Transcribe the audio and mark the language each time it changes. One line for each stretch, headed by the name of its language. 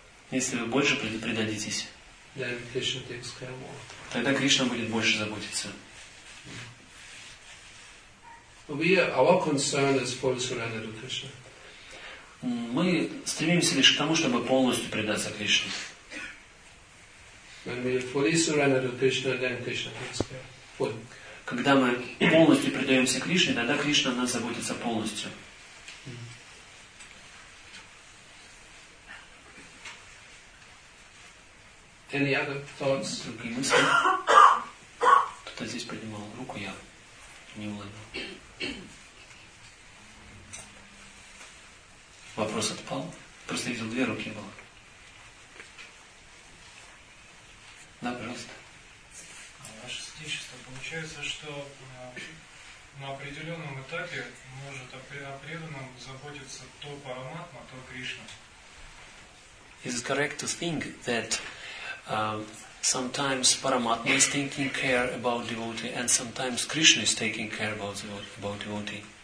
Russian: если вы больше предадитесь,
English: then Krishna takes care more.
Russian: Тогда Кришна будет больше заботиться.
English: Our concern is full surrender to Krishna.
Russian: Мы стремимся лишь к тому, чтобы полностью предаться Кришне.
English: When we fully surrender to Krishna, then Krishna takes care. Full.
Russian: Когда мы полностью предаемся Кришне, тогда Кришна о нас заботится полностью.
English: Any other thoughts?
Russian: Другие мысли? Кто-то здесь поднимал руку, я не уловил. Вопрос отпал. Просто видел, две руки было. Да, пожалуйста. Ваше Святейшество, получается, что на определенном этапе может о преданном заботиться то Параматма, то Кришна.
English: Is it correct to think that sometimes Paramatma is taking care about devotee, and sometimes Krishna is taking care about devotee.